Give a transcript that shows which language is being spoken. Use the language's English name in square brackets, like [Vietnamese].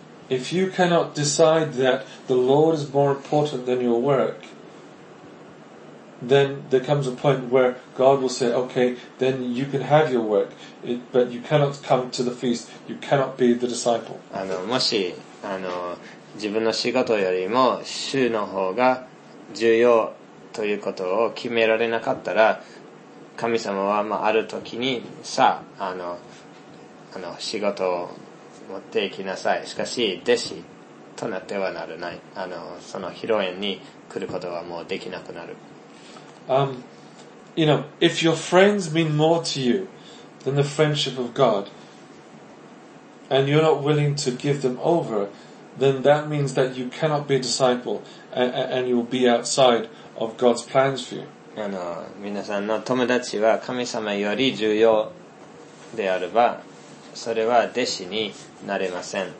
[English] If you cannot decide that the Lord is more important than your work, then there comes a point where God will say, okay, then you can have your work, but you cannot come to the feast, you cannot be the disciple. [Japanese] もし、自分の仕事よりも主の方が重要ということを決められなかったら、神様は、まあ、ある時にさ、仕事を持っていきなさい。しかし、弟子となってはならない。その披露宴に来ることはもうできなくなる。 [English] You know, if your friends mean more to you than the friendship of God, and you're not willing to give them over, then that means that you cannot be a disciple, and you will be outside of God's plans for you. [Japanese] 皆さんの友達は神様より重要であれば、それは弟子になれません。